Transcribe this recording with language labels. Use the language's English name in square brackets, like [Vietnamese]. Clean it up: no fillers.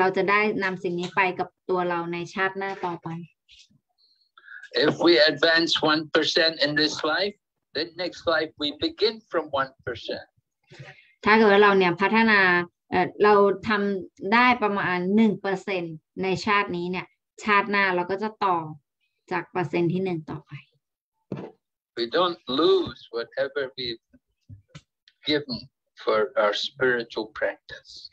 [Thai] us. เพราะฉะนั้นอะไรก็แล้วแต่ที่ในที่เราได้ทำในวิถีทิพย์ในชาตินี้เนี่ยเราจะไม่มีการสูญเสียสิ่งนี้ไปเราจะสามารถนำสิ่งนี้เนี่ยไปปฏิบัติต่อเราในชาติหน้าต่อไป [English] If we advance 1% in this life, then next life we begin from 1%. [Thai] ถ้าเกิดว่าเราเนี่ยพัฒนาเราทำได้ประมาณ 1% ในชาตินี้เนี่ยชาติหน้าเราก็จะต่อจากเปอร์เซ็นต์ที่ 1 ต่อไป [English] We don't lose whatever we've given for our spiritual practice.